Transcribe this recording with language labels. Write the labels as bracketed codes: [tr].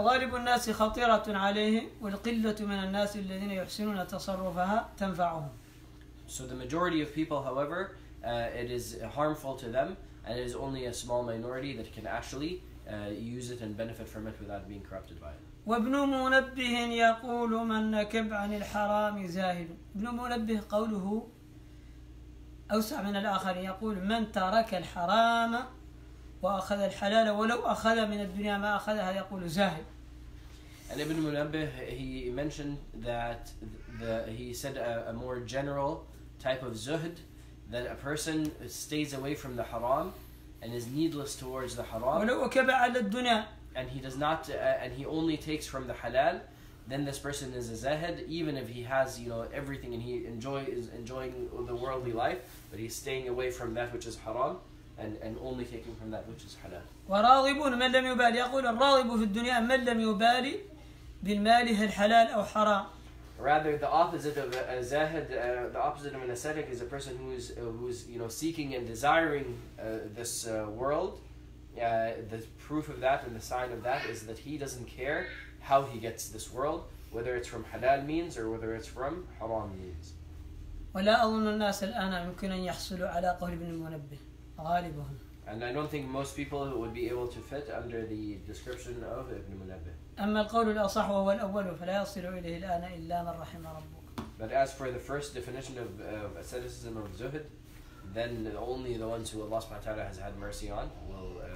[ar] غالب الناس خطيرة عليه والقلة من الناس الذين يحسنون تصرفها تنفعهم. [en] So the majority of people, however, it is harmful to them, and it is only a small minority that can actually use it and benefit from it without being corrupted by it. [ar] وابن منبه يقول من نكب عن الحرام زاهد. ابن منبه قوله. أوسع من الآخر يقول من ترك الحرام وأخذ الحلال ولو أخذ من الدنيا ما أخذها يقول زاهد. [en] And Ibn Munabbih he mentioned that he said a more general type of zuhd that a person stays away from the haram and is needless towards the haram. [ar] ولو أكب على الدنيا. [en] And he does not and he only takes from the halal. Then this person is a zahid, even if he has, everything, and he is enjoying the worldly life, but he's staying away from that which is haram, and only taking from that which is halal. [ar] وراغبون من لم يبالي يقول الراغب في الدنيا من لم يبالي بالمال هل حلال أو حرام. [en] Rather, the opposite of a zahid, the opposite of an ascetic, is a person who's seeking and desiring this world. The proof of that and the sign of that is that he doesn't care. How he gets this world, whether it's from halal means or whether it's from haram means. [ar] ولا أظن الناس الآن يمكن أن يحصلوا على قول ابن المنبه غالبهم. [en] And I don't think most people would be able to fit under the description of Ibn Munabbih. [ar] أما القول الأصح وهو الأول فلا يصل إليه الآن إلا من رحم ربك. [en] But as for the first definition of asceticism of zuhd, then only the ones who Allah subhanahu wa ta'ala has had mercy on will.